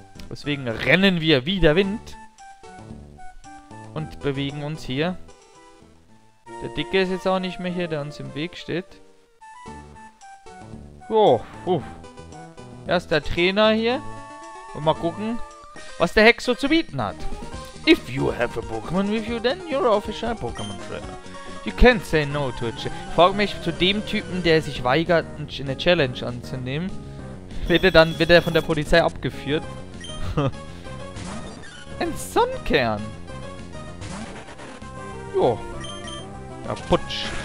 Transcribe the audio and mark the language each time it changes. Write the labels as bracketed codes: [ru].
[de] Deswegen rennen wir wie der Wind. Und bewegen uns hier. Der Dicke ist jetzt auch nicht mehr hier, der uns im Weg steht. Erst der Trainer hier. Und mal gucken, was der Hex so zu bieten hat. [en] If you have a Pokémon with you, then you're official Pokémon Trainer. You can't say no to a challenge. [de] Frag mich zu dem Typen, der sich weigert, eine Challenge anzunehmen. Wird er von der Polizei abgeführt? Ein Sonnenkern. Jo. Ja, putsch.